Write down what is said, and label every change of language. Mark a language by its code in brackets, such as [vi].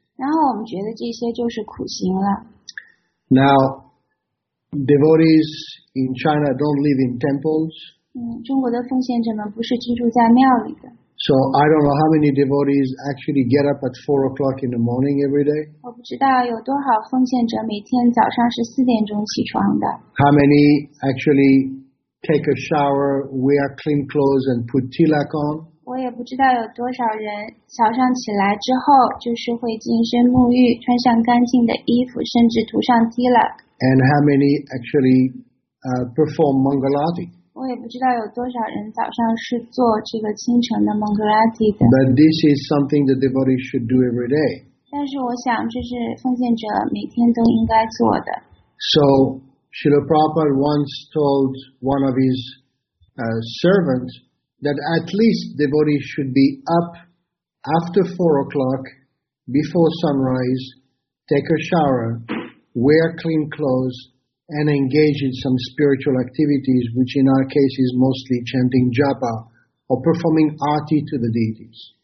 [zh] 然后我们觉得这些就是苦行了。 [en] Now devotees in China don't live in temples. [zh] 中国的奉献者们不是居住在庙里的。 [en] So I don't know how many devotees actually get up at 4 o'clock in the morning every day. [zh] 我不知道有多少奉献者每天早上是四点钟起床的。 [en] How many actually take a shower, wear clean clothes, and put tilak on? [zh] 我也不知道有多少人早上起来之后就是会净身沐浴，穿上干净的衣服，甚至涂上 tilak。 [en] And how many actually perform Mangalarti? [zh] 我也不知道有多少人早上是做这个清晨的 Mangalarti 的。 [en] But this is something the devotee should do every day. [zh] 但是我想这是奉献者每天都应该做的。 [en] So, Srila Prabhupada once told one of his servants that at least devotees should be up after 4 o'clock, before sunrise, take a shower, wear clean clothes, and engage in some spiritual activities, which in our case is mostly chanting japa or performing arti to the deities.